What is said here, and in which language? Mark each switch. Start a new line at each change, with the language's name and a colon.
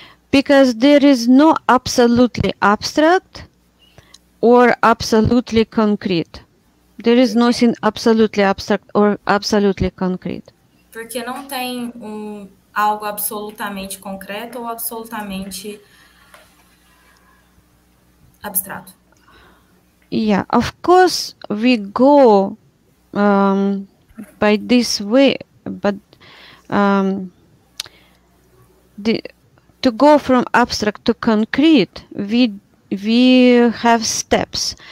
English: Because there is no absolutely abstract or absolutely concrete. There is nothing absolutely abstract or absolutely concrete.
Portuguese: Porque não tem algo absolutamente concreto ou absolutamente abstrato.
English: Yeah, of course we go by this way, but to go from abstract to concrete, we have steps.